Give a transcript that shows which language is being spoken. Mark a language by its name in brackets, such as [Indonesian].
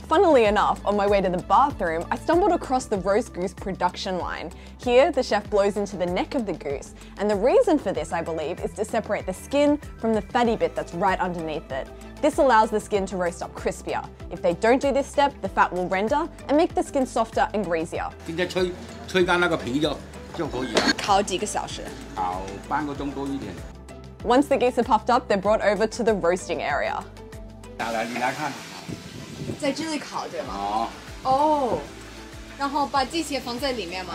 [English] Funnily enough, on my way to the bathroom, I stumbled across the roast goose production line. Here, the chef blows into the neck of the goose, and the reason for this, I believe, is to separate the skin from the fatty bit that's right underneath it. This allows the skin to roast up crispier. If they don't do this step, the fat will render and make the skin softer and greasier. [Chinese] 现在吹吹干那个皮就可以了。烤几个小时？烤半个钟多一点。 [English] Once the geese are puffed up, they're brought over to the roasting area. [Chinese] 来，你来看。在这里烤对吗？哦。哦。然后把这些放在里面吗？